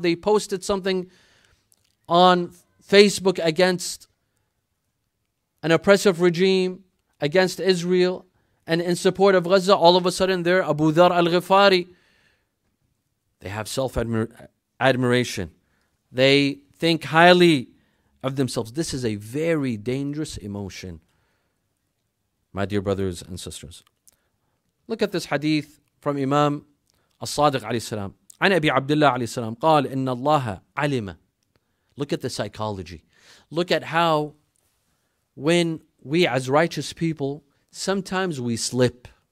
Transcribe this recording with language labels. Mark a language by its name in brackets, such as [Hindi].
[English] They posted something on Facebook against an oppressive regime, against Israel, and in support of Gaza. All of a sudden, they're Abu Dhar al-Ghifari. They have self-admiration. They think highly of themselves. This is a very dangerous emotion, my dear brothers and sisters. Look at this hadith from Imam [Arabic] الصادق عليه السلام عن أبي عبد الله عليه السلام قال إن الله علم. [English] Look at the psychology. Look at how when we as righteous people, sometimes we slip.